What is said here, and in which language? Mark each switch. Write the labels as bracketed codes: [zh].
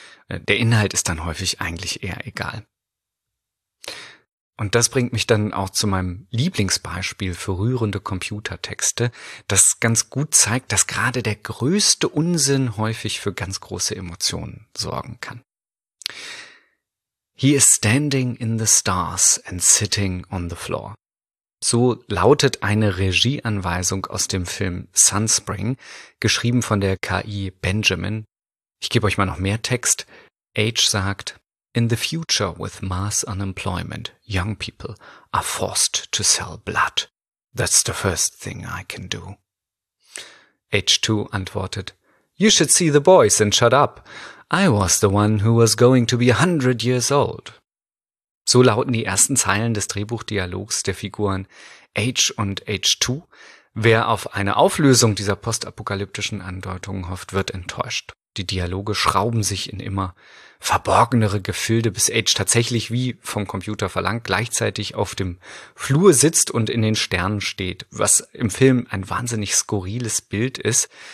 [de] Der Inhalt ist dann häufig eigentlich eher egal. Und das bringt mich dann auch zu meinem Lieblingsbeispiel für rührende Computertexte, das ganz gut zeigt, dass gerade der größte Unsinn häufig für ganz große Emotionen sorgen kann. [en] He is standing in the stars and sitting on the floor. [de] So lautet eine Regieanweisung aus dem Film Sunspring, geschrieben von der KI Benjamin. Ich gebe euch mal noch mehr Text. [en] H sagt: In the future with mass unemployment, young people are forced to sell blood. That's the first thing I can do. [de] H2 antwortet, [en] You should see the boys and shut up. I was the one who was going to be 100 years old. [de] So lauten die ersten Zeilen des Drehbuchdialogs der Figuren H und H2. Wer auf eine Auflösung dieser postapokalyptischen Andeutungen hofft, wird enttäuscht. Die Dialoge schrauben sich in immer verborgenere Gefilde, bis H tatsächlich, wie vom Computer verlangt, gleichzeitig auf dem Flur sitzt und in den Sternen steht, was im Film ein wahnsinnig skurriles Bild ist.